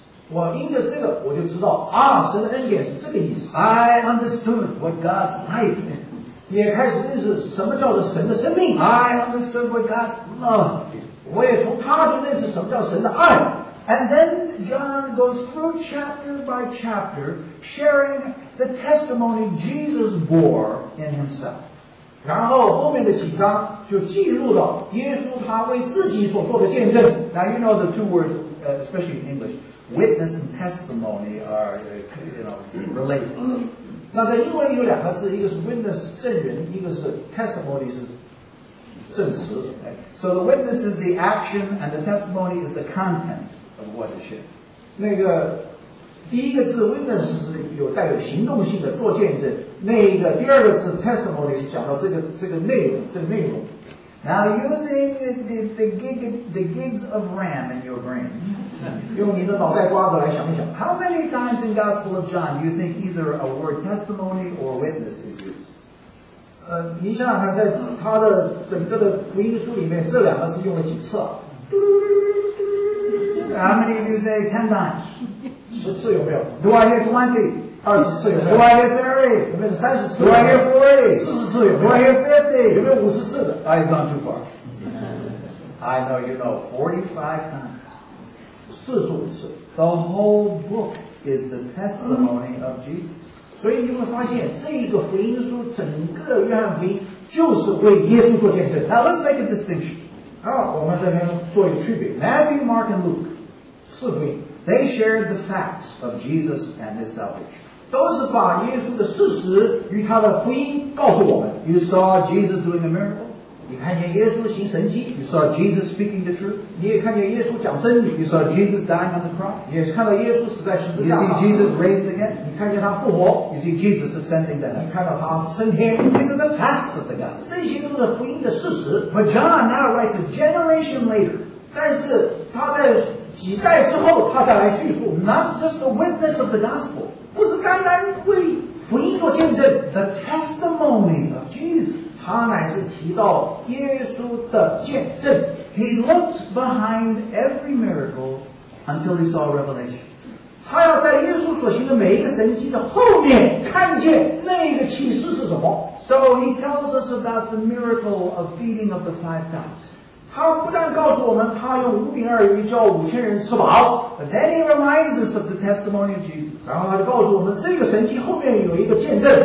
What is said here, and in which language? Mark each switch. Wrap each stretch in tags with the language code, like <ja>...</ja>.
<zh>我因着这个我就知道啊，神的恩典是这个意思</zh> <en>I understood what God's life is</en> <zh>也开始认识什么叫做神的生命</zh> <en>I understood what God's love is</en> <zh>我也从他就认识什么叫神的爱。</zh> <en>And then John goes through chapter by chapter, sharing the testimony Jesus bore in himself.</en> <zh>然后后面的几章就记录了耶稣他为自己所做的见证。</zh> <en>Now you know the two words, especially in English, witness and testimony are, related.</en> <zh>那在英文里有两个字，一个是 witness 证人，一个是 testimony 是证词。</zh> <en>So the witness is the action and the testimony is the content of what is shared.</en> <zh>那个第一个字 witness 是有带有行动性的做见证那个第二个字 testimony 是讲到这个内容这个内容。</zh> <en>Now using the gigs of RAM in your brain,</en> <zh>用你的脑袋瓜子来想一想</zh> <en>How many times in Gospel of John do you think either a word testimony or witness is used?</en> <zh>你想想看，在他的整个的福音书里面，这两个是用了几次啊</zh> <en>？How many do you say ten times？</en> <zh>十次有没有</zh> <en>？Do I hear 20？</en> <zh>二十次有没有</zh> <en>？Do I hear 30？</en> <zh>有没有三十次</zh> <en>？Do I hear 40？</en> <zh>四十次有没有</zh> <en>？Do I hear 50？</en> <zh>有没有五十次的</zh> <en>？I've gone too far。 I know you know, 45 times.</en> <zh>45次.</zh> <en>The whole book is the testimony of Jesus.</en> <zh>所以你会发现，这一个福音书，整个约翰福音就是为耶稣做见证。</zh> <en>Now let's make a distinction.</en> <zh>好，我们这边做一个区别。</zh> <en>Matthew, Mark, and Luke,</en> <zh>四福音,</zh> <en>they shared the facts of Jesus and his salvation.</en> <zh>都是把耶稣的事实与他的福音告诉我们。</zh> <en>You saw Jesus doing a miracle.</en> <zh>你看见耶稣行神迹,</zh> <en>you saw Jesus speaking the truth.</en> <zh>你也看见耶稣讲真理,</zh> <en>you saw Jesus dying on the cross.</en> <zh>你也看到耶稣死在十字架上,</zh> <en>you see Jesus raised again.</en> <zh>你看见他复活,</zh> <en>you see Jesus ascending to heaven.</en> <zh>你看到他升天,</zh> <en>these are the facts of the gospel.</en> <zh>这些都是福音的事实,</zh> <en>but John now writes a generation later.</en> <zh>但是他在几代之后他再来叙述,</zh> <en>not just the witness of the gospel.</en> <zh>不是单单为福音做见证,</zh> <en>the testimony of Jesus.</en> <zh>他乃是提到耶稣的见证.</zh> <en>He looked behind every miracle until he saw Revelation.</en> <zh>他要在耶稣所行的每一个神迹的后面看见那个启示是什么.</zh> <en>So he tells us about the miracle of feeding of the 5,000.</en> <zh>他不但告诉我们他用五饼二鱼叫5,000人吃饱,</zh> <en>but then he reminds us of the testimony of Jesus.</en> <zh>然后他就告诉我们这个神迹后面有一个见证.</zh>